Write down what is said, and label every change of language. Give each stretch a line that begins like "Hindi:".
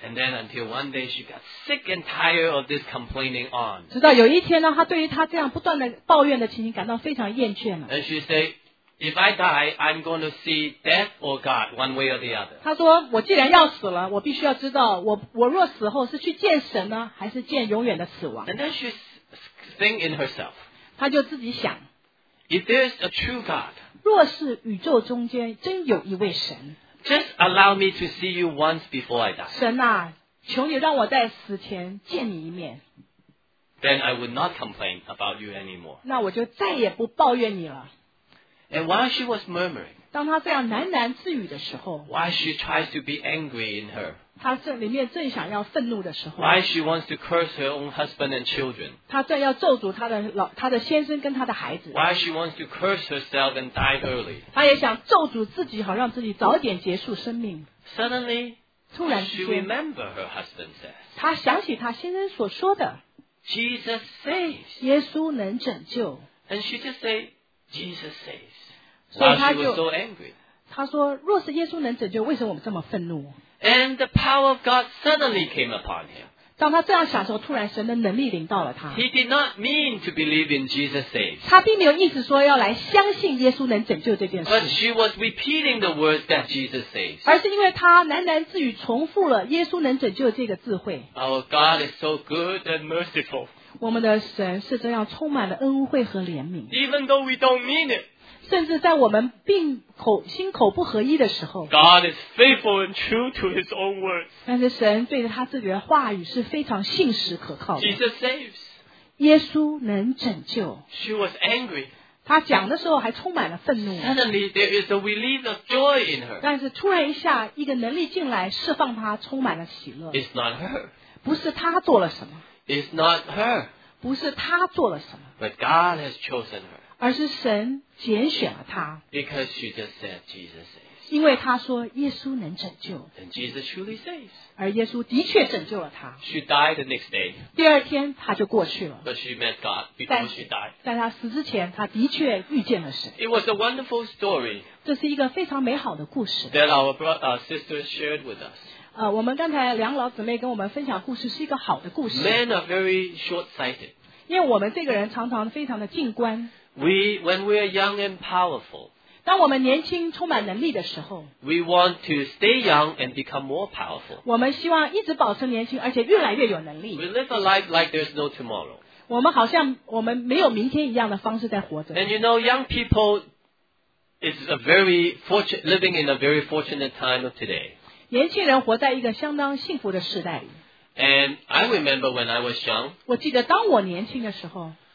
English: And then until one day she got sick and tired of this complaining on.
Chinese: 直到有一天呢，她对于她这样不断地抱怨的情形感到非常厌倦了。
English: And she said, if I die, I'm going to see death or God one way or the other.
Chinese: 她说，我既然要死了，我必须要知道我若死后是去见神呢，还是见永远的死亡。
English: And then she think in herself.
Chinese: 她就自己想。
English: If there's a true God.
Chinese: 若是宇宙中间真有一位神。
English: Just allow me to see you once before I die.
Chinese: 神啊，求你让我在死前见你一面。
English: Then I would not complain about you anymore.
Chinese: 那我就再也不抱怨你了。
English: And while she was murmuring,
Chinese: 当她这样喃喃自语的时候
English: ，while she tries to be angry in her,
Chinese: 她这里面正想要愤怒的时候
English: ，while she wants to curse her own husband and children,
Chinese: 她正要咒诅她的先生跟她的孩子
English: ，while she wants to curse herself and die early,
Chinese: 她也想咒诅自己，好让自己早点结束生命。
English: Suddenly,
Chinese: 突然之间
English: ，she remember her husband says,
Chinese: 她想起她先生所说的
English: ，Jesus saves,
Chinese: 耶稣能拯救
English: ，and she just say, Jesus saves.
Chinese: 所以他就
English: she was so angry.
Chinese: 他说若是耶稣能拯救为什么我们这么愤怒
English: And the power of God suddenly came upon him.
Chinese: 当他这样想的时候突然神的能力临到了他
English: He did not mean to believe in Jesus saves.
Chinese: 他并没有意思说要来相信耶稣能拯救这件事
English: But she was repeating the words that Jesus saves.
Chinese: 而是因为他喃喃自语重复了耶稣能拯救这个智慧
English: Our God is so good and merciful.
Chinese: 我们的神是这样充满了恩惠和怜悯
English: Even though we don't mean it.
Chinese: 甚至在我们并口心口不合一的时候
English: God is faithful and true to his own words.
Chinese: 但是神对着他自己的话语是非常信实可靠的
English: Jesus saves.
Chinese: 耶稣能拯救
English: She was angry.
Chinese: 他讲的时候还充满了愤怒
English: Suddenly there is a relief of joy in her.
Chinese: 但是突然一下一个能力进来释放他充满了喜乐
English: It's not her.
Chinese: 不是他做了什么
English: It's not her.
Chinese: 不是他做了什么
English: But God has chosen her.
Chinese: 而是神拣选了他
English: Because she just said Jesus saves.
Chinese: 因为他说耶稣能拯救
English: And Jesus truly saves.
Chinese: 而耶稣的确拯救了他
English: She died the next day.
Chinese: 第二天他就过去了
English: But she met God before she died.
Chinese: 在他死之前他的确遇见了神
English: It was a wonderful story.
Chinese: 这是一个非常美好的故事
English: That our sister shared with us.
Chinese: 我们刚才两老姊妹跟我们分享故事是一个好的故事
English: Men are very short-sighted.
Chinese: 因为我们这个人常常非常的近观
English: When we are young and powerful,
Chinese: 当我们年轻充满能力的时候
English: we want to stay young and become more powerful.
Chinese: 我们希望一直保持年轻而且越来越有能力
English: We live a life like there's no tomorrow.
Chinese: 我们好像我们没有明天一样的方式在活着
English: And you know, young people is a very fortunate, living in a very fortunate time of today.
Chinese: 年轻人活在一个相当幸福的时代里
English: And I remember when I was young,
Chinese: 我记得当我年轻的时候